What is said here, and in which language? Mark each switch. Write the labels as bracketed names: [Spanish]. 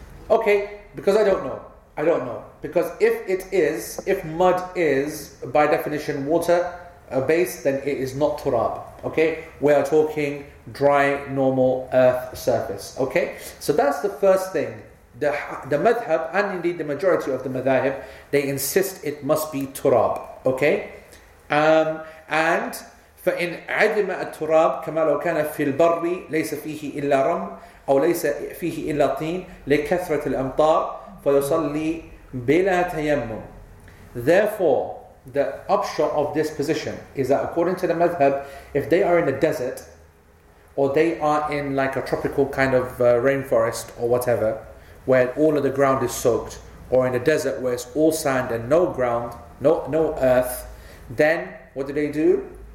[English] Okay, because I don't know. Because if mud is, by definition, water-based, then it is not turab. Okay, we are talking dry, normal earth surface. Okay, so that's the first thing. The madhab, and indeed the majority of the madhahib, they insist it must be turab. Okay, and [Arabic] فَإِنْ عَدِمَ الْتُرَابِ كَمَا لَوْ كَانَ فِي الْبَرِّ لَيْسَ فِيهِ إِلَّا رَمْءٍ أو ليس فيه إلا طين لكثرة الأمطار فيصلي بلا تيمم. [English] Therefore, the upshot of this position is that according to the madhab, if they are in a desert or they are in like a tropical kind of rainforest or whatever, where all of the ground is soaked, or in a desert where it's all sand and no ground, no earth, then what do?